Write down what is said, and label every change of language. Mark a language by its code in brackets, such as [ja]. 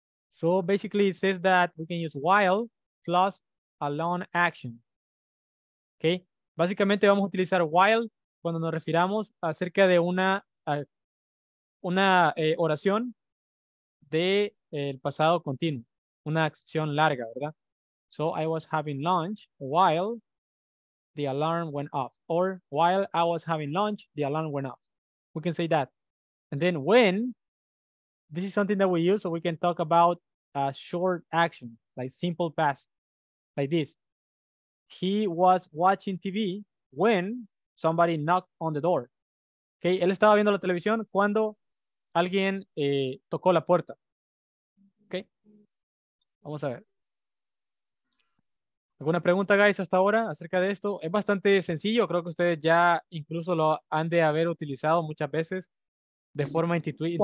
[en] So basically it says that we can use while plus a long action. Okay. [es] Básicamente vamos a utilizar while cuando nos refiramos acerca de una oración de el pasado continuo. Una acción larga, ¿verdad? [en] So I was having lunch while the alarm went off. Or while I was having lunch, the alarm went off. We can say that. And then when, this is something that we use so we can talk about a short action, like simple past, like this. He was watching TV when somebody knocked on the door. [es] Okay, él estaba viendo la televisión cuando alguien tocó la puerta. Okay, vamos a ver. ¿Alguna pregunta, guys, hasta ahora acerca de esto? Es bastante sencillo. Creo que ustedes ya incluso lo han de haber utilizado muchas veces de forma intuitiva.